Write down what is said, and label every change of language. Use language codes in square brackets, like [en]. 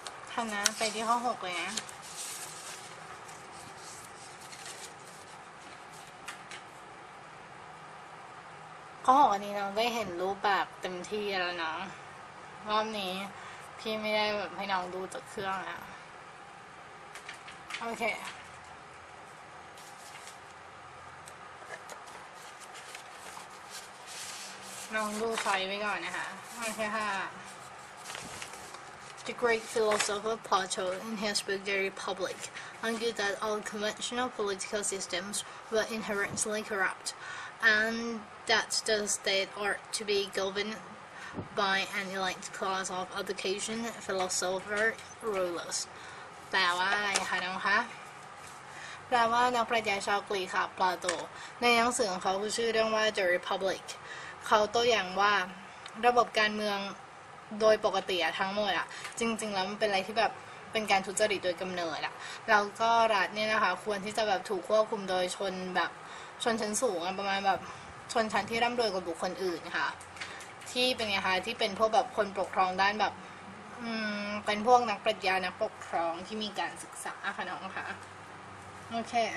[th] ผ่านนะไปที่ข้อ6เลยนะข้อ6อันนี้น้องได้เห็นรูปแบบเต็มที่แล้วน้องรอบนี้พี่ไม่ได้แบบให้น้องดูจากเครื่องแล้วโอเคลองดูไฟไว้ก่อนนะคะ [en] The great philosopher Plato in his book The Republic argued that all conventional political systems were inherently corrupt and that the state ought to be governed by an elite class of education philosopher rulers [th] แปลว่าอะไรคะน้องคะแปลว่านักปรัชญาชาวกรีกค่ะปลาโตในหนังสือของเขาชื่อเรื่องว่า The Republic เขาตัวอย่างว่าระบบการเมือง โดยปกติอะทั้งหมดอะจริงๆแล้วมันเป็นอะไรที่แบบเป็นการทุจริตโดยกำเนิดอะเราก็รัฐเนี่ยนะคะควรที่จะแบบถูกควบคุมโดยชนแบบชนชั้นสูงอะประมาณแบบชนชั้นที่ร่ำรวยกว่าบุคคลอื่นค่ะที่เป็นไงคะที่เป็นพวกแบบคนปกครองด้านแบบเป็นพวกนักปรัชญานักปกครองที่มีการศึกษาค่ะน้องค่ะโอเค